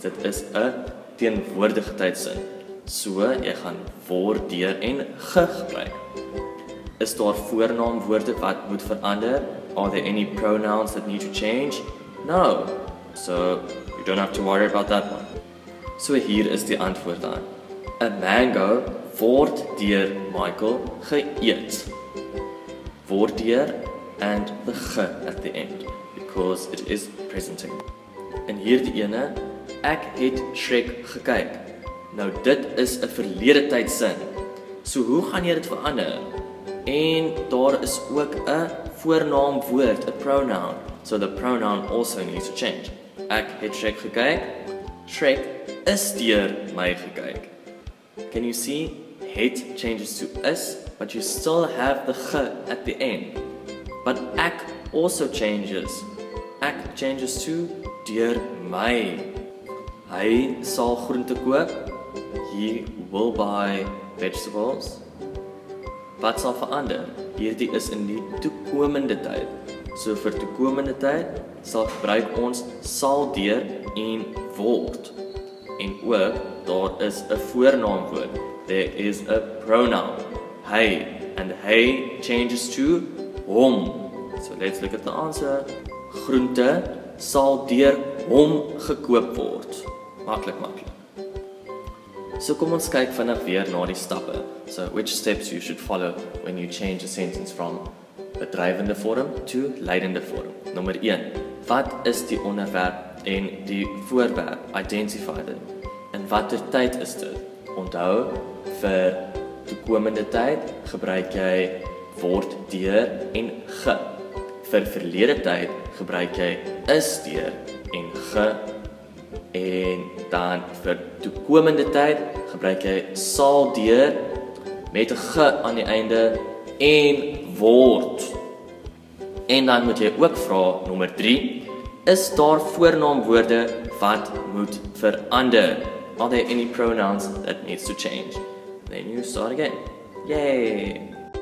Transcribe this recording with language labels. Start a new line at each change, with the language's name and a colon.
Afrikaans: Dit is 'n teenwoordige tydsin. So, jy gaan word deur en ge gebruik. Is daar voornaamwoorde wat moet verander?
English: Are there any pronouns that need to change? No. So, you don't have to worry about that one.
Afrikaans: So, hier is die antwoord aan. A mango word deur Michael geëet.
English: Word deur and the ge at the end. Because it is presenting.
Afrikaans: En hier die ene, ek het Shrek gekyk. Nou, dit is 'n verlede tyd sin. So, hoe gaan jy dit verander? En daar is ook 'n voornaamwoord, 'n pronoun.
English: So the pronoun also needs to change.
Afrikaans: Ek het Shrek gekyk. Shrek is deur my gekyk.
English: Can you see? het changes to is, but you still have the ge at the end. But ek also changes. Ek changes to deur my.
Afrikaans: Hy sal groente koop.
English: He will buy vegetables.
Afrikaans: Wat sal verander? Hierdie is in die toekomende tyd. So vir toekomende tyd sal gebruik ons sal deur en word. En ook, daar is 'n voornaamwoord.
English: There is a pronoun, hey, and hey changes to hom. So let's look at the answer.
Afrikaans: Groente sal deur hom gekoop word. Maklik, maklik. So kom ons kyk vanaf weer na die stappe.
English: So which steps you should follow when you change a sentence from bedrywende vorm to lydende vorm.
Afrikaans: Nommer 1. Wat is die onderwerp en die voorwerp? Identify dit. En watter tyd is dit? Onthou, vir toekomende tyd gebruik jy word deur en ge. Vir verlede tyd gebruik jy is deur en ge. En dan vir toekomende tyd gebruik jy sal deur met 'n ge aan die einde en word. En dan moet jy ook vra nommer 3. Is daar voornaamwoorde wat moet verander?
English: Are there any pronouns that needs to change? Then you start again. Yay!